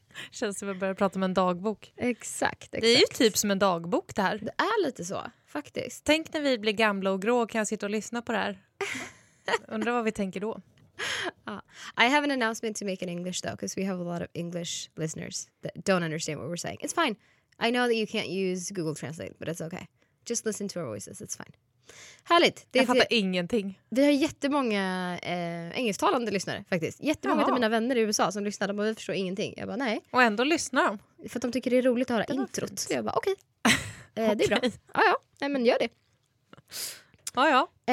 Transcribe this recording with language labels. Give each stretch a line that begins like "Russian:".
Swedish: Känns som att jag börjar prata om en dagbok. Exakt. Det är ju typ som en dagbok det här. Det är lite så, faktiskt. Tänk när vi blir gamla och grå och kan sitta och lyssna på det här. Undrar vad vi tänker då.
English: I have an announcement to make in English though, because we have a lot of English listeners that don't understand what we're saying. It's fine. I know that you can't use Google Translate, but it's okay. Just listen to our voices, it's fine.
Swedish: Härligt. Det jag fattar ingenting. Vi har jättemånga engelsktalande lyssnare faktiskt. Jättemånga av mina vänner i USA som lyssnar. De bara, vi förstår ingenting. Jag bara, nej. Och ändå lyssnar de. För att de tycker det är roligt att höra introt. Fint. Så jag bara, okej. Okay. Det är bra. Ja. Nej, men gör det. Ja.